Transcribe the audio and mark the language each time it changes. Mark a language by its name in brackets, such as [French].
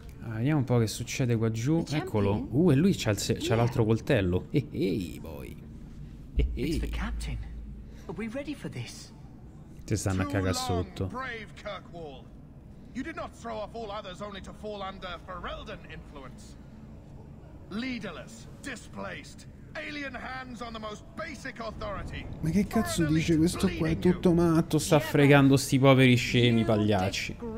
[Italian] Vediamo un po' che succede qua giù. Eccolo. E lui c'ha l'altro coltello. [English] Ehi, boy. It's the captain. Are we ready for this? [Italian] Ti stanno a cagare sotto. [English] Brave Kirkwall. You did not throw off all others only to fall under Ferelden influence. Leaderless, displaced, alien hands on the most basic authority. [Italian] Ma che cazzo dice questo qua? È tutto matto. Sta fregando sti poveri scemi pagliacci.